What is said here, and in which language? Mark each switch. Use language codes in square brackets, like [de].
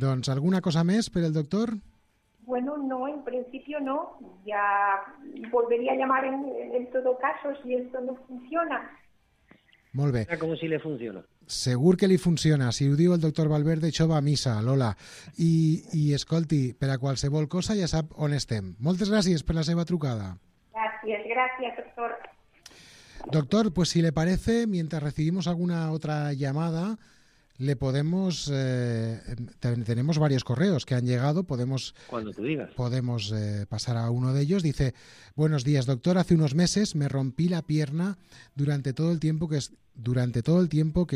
[ca] Doncs alguna cosa més per al doctor? [es] Bueno, no, en principio no. Ya volvería a llamar en todo caso si esto no funciona. [ca] Molt bé. [es] Como si le funciona. [ca] Segur que li funciona. Si ho diu el doctor Valverde, això va a missa, Lola. I escolti, per a qualsevol cosa ja sap on estem. Moltes gràcies per la seva trucada. Gràcies, gràcies, doctor. [es] Doctor, pues si le parece, mientras recibimos alguna otra llamada, le podemos... tenemos varios correos que han llegado, podemos... Cuando tú digas. Podemos pasar a uno de ellos. Dice, buenos días, doctor. Hace unos meses me rompí la pierna durante todo el tiempo que...